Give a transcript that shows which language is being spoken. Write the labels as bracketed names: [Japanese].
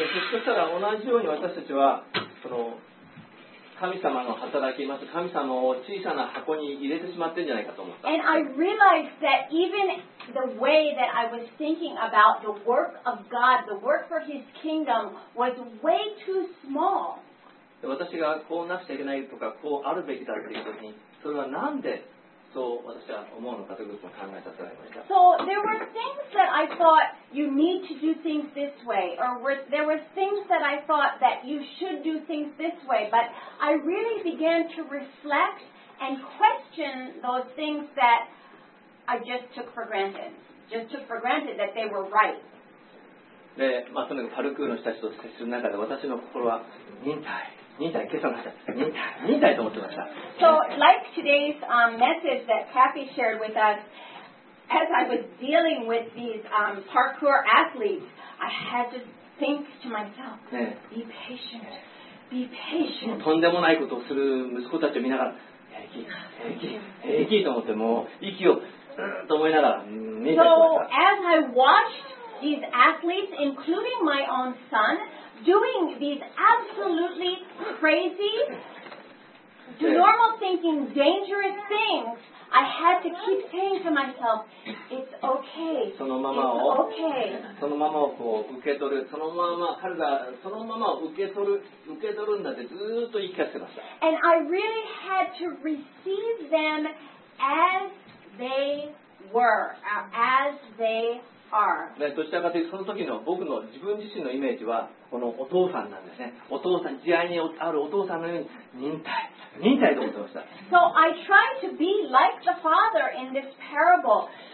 [Japanese] そしたら同じように私たちはその神様の働きます。神様を小さな箱に入れてしまってるんじゃないかと思った。 [English] And I realized that even the way that I was thinking about the work of God, the work for His kingdom, was way too small. [Japanese] 私がこうなくちゃいけないとか、こうあるべきだっていうときに、それはなんでそう私は思うのかということを考えさせられました。 [English] So there were things that I thought you need to do things this way, or there were things that I thought that you should do things this way, but I really began to reflect and question those things that I just took for granted that they were right. [Japanese] で、まあ、そのパルクールの人たちと接する中で私の心は忍耐。 [English] So like today's message that Kathy shared with us, as I was dealing with these parkour athletes, I had to think to myself, be patient, be patient. [Japanese] とんでもないことをする息子たちを見ながら、平気と思ってもう息をと思いながら忍耐しました。 [English] So as I watched these athletes, including my own son, doing these absolutely crazy, normal thinking, dangerous things, I had to keep saying to myself, it's okay, And I really had to receive them as they were, as they were. [Japanese] ね、どちらかというとその時の僕の自分自身のイメージはこのお父さんなんですね。お父さん、慈愛にあるお父さんのように忍耐と思ってました。 [English] So I tried to be like the father in this parable.